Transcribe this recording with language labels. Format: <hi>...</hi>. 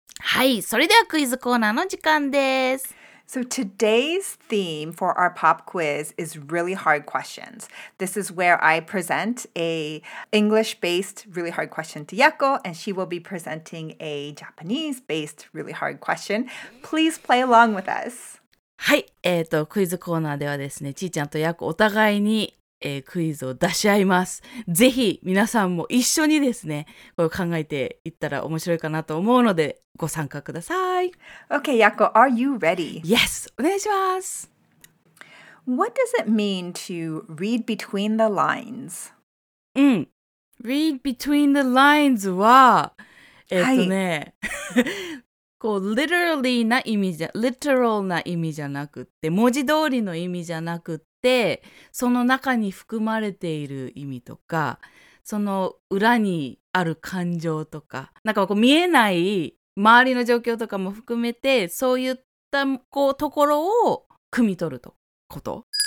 <ja>はい、それではクイズコーナーの時間です。</ja> <en>So today's theme for our pop quiz is really hard questions. This is where I present a English-based really hard question to Yako, and she will be presenting a Japanese-based really hard question. Please play along with us.</en> <ja>はい、クイズコーナーではですね、ちーちゃんとやこお互いに、クイズを出し合います。ぜひ皆さんも一緒にですね、これを考えていったら面白いかなと思うので、ご参加ください。</ja> <en>Okay, Yako, are you ready? Yes,</en> <ja>お願いします。</ja> <en>What does it mean to read between the lines?</en> <ja>うん。Read between the lines は、ね、こう、literally な意味じゃ、literal な意味じゃなくって、文字通りの意味じゃなくって、でその中に含まれている意味とか、その裏にある感情とか、なんかこう見えない周りの状況とかも含めて、そういったこうところを汲み取ると、こと。</ja>